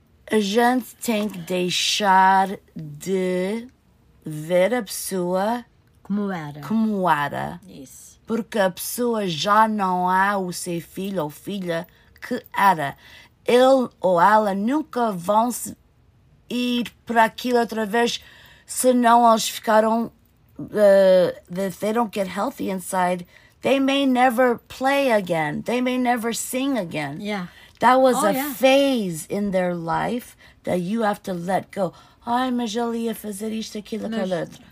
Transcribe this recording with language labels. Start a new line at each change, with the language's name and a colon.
Portuguese: A gente tem que deixar de ver a pessoa como era. Como era. Isso. Porque a pessoa já não é o seu filho ou filha que era. Ele ou ela nunca vão ir para aquilo outra vez, senão eles ficaram...
English: if they don't get healthy inside, they may never play again. They may never sing again. Yeah. That was phase in their life that you have to let go.
Portuguese: Ai, mas ele ia fazer isto, aquilo, aquilo outro.